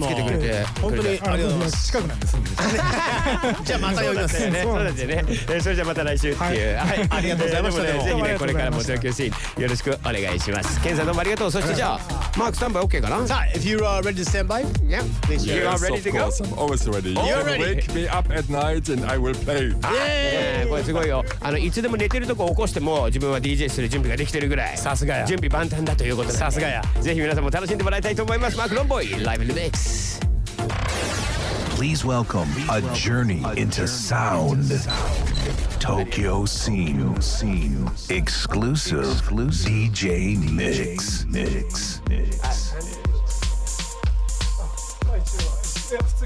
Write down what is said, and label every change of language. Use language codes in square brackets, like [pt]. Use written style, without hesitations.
[ja] 本当に駆けつけてくれて、本当にありがとうございます、近くなんですねじゃあまた呼びますね、そうなんですね、それじゃあまた来週っていう、はい、ありがとうございました、ぜひね、これからも東京シーンよろしくお願いします。ケンさんどうもありがとう。そしてじゃあ、マークスタンバイ OK かな？ [en] さあ、if you are ready to stand by, yeah, please. You are ready to go? Yes, of course, I'm always ready. You're ready. Wake me up at night and I will play. [ja] これすごいよ。あの、いつでも寝てるとこ起こしても自分は DJ する準備ができてるぐらい。さすがや。準備万端だということで。さすがや。ぜひ皆さんも楽しんでもらいたいと思います。マークロンボイ、ライブインザミックス。 [en] Please welcome a journey into sound. Tokyo Scene exclusive DJ mix.